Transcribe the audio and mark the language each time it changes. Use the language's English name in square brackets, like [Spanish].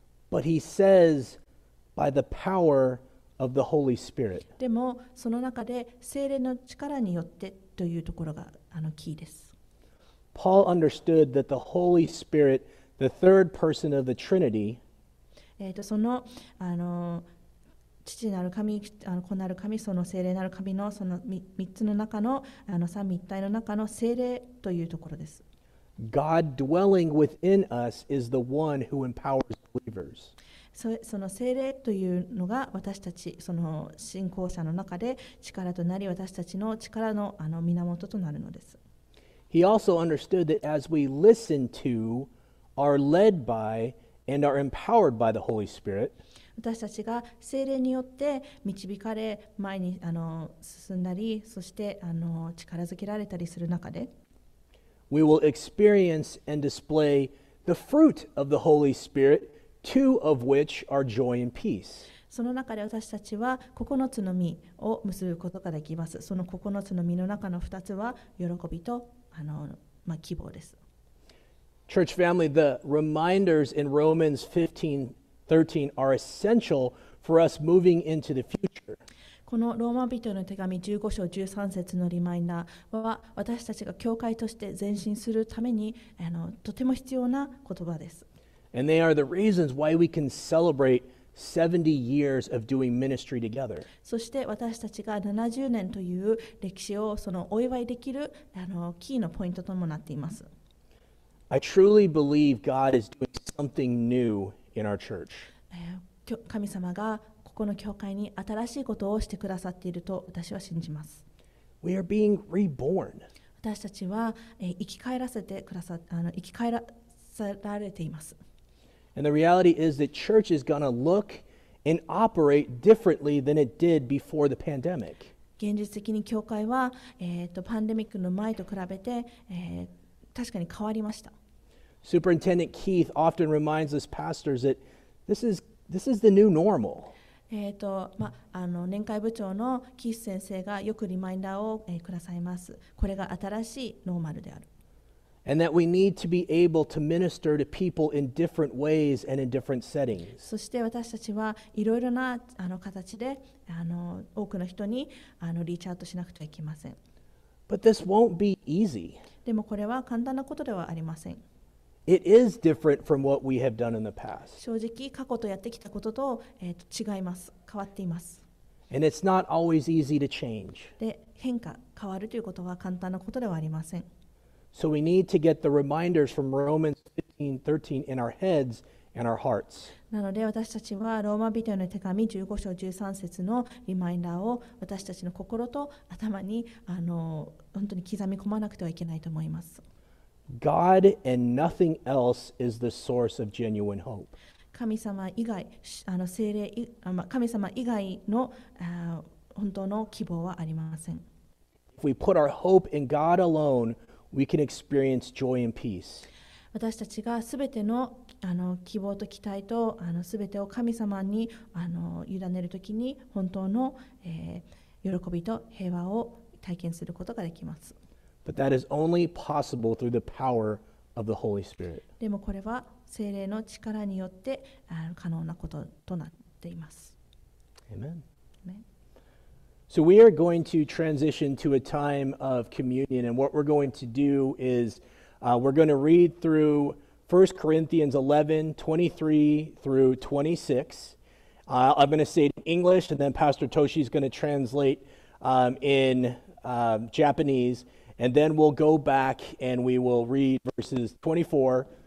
[English] But he says, by the power of the Holy Spirit. [Japanese] でも、その中で聖霊の力によってというところがキーです。 [English] Paul understood that the Holy Spirit, the third person of the Trinity, [Japanese] その父なる神、子なる神、その聖霊なる神のその三つの中の三位一体の中の聖霊というところです。 [English] God dwelling within us is the one who empowers believers. [Japanese] その聖霊というのが私たちその信仰者の中で力となり私たちの力の源となるのです。 [English] He also understood that as we listen to, are led by. And are empowered by the Holy Spirit. [Japanese] 私たちが聖霊によって導かれ前に進んだり、そして力づけられたりする中で、 [English] We will experience and display the fruit of the Holy Spirit, two of which are joy and peace. [Japanese] その中で私たちは9つの実を結ぶことができます。その9つの実の中の2つは喜びと希望です。 [English] Church family, the reminders in Romans 15:13 are essential for us moving into the future. [Japanese] このローマ人の手紙15章13節のリマインダーは私たちが教会として前進するためにとても必要な言葉です。 [English] And they are the reasons why we can celebrate 70 years of doing ministry together. [Japanese] そして私たちが70年という歴史をそのお祝いできるキーのポイントともなっています。 [English] I truly believe God is doing something new in our church. [Japanese] 神様がここの教会に新しいことをしてくださっていると私は信じます。 [English] We are being reborn. [Japanese] 私たちは生き返らせられています。 [English] And the reality is that church is going to look and operate differently than it did before the pandemic. [Japanese] 現実的に教会は、パンデミックの前と比べて、確かに変わりました。 [English] Superintendent Keith often reminds us pastors that this is the new normal. [Japanese] 年会部長のキース先生がよくリマインダーをくださいます。これが新しいノーマルである。 [English] And that we need to be able to minister to people in different ways and in different settings. [Japanese] そして私たちはいろいろな形で多くの人にリーチアウトしなくてはいけません。 [English] But this won't be easy. [Japanese] でもこれは簡単なことではありません。 [English] It is different from what we have done in the past. [Japanese] 正直過去とやってきたことと違います。変わっています。 [English] And it's not always easy to change. [Japanese] で変化、変わるということは簡単なことではありません。 [English] So we need to get the reminders from Romans 15:13 in our heads and our hearts. [Japanese] なので私たちはローマ人への手紙15章13節のリマインダーを私たちの心と頭に本当に刻み込まなくてはいけないと思います。 [English] God and nothing else is the source of genuine hope. [Japanese] 神様以外、聖霊、神様以外の本当の希望はありません。 [English] If we put our hope in God alone, we can experience joy and peace. [Japanese] 私たちがすべての希望と期待とすべてを神様に委ねるときに本当の喜びと平和を体験することができます。 [English] But that is only possible through the power of the Holy Spirit. [Japanese] でもこれは聖霊の力によって可能なこととなっています。 [English] Amen. So we are going to transition to a time of communion, and what we're going to do is we're going to read through 1 Corinthians 11, 23 through 26. I'm going to say it in English, and then Pastor Toshi is going to translate in Japanese, and then we'll go back and we will read verses 24.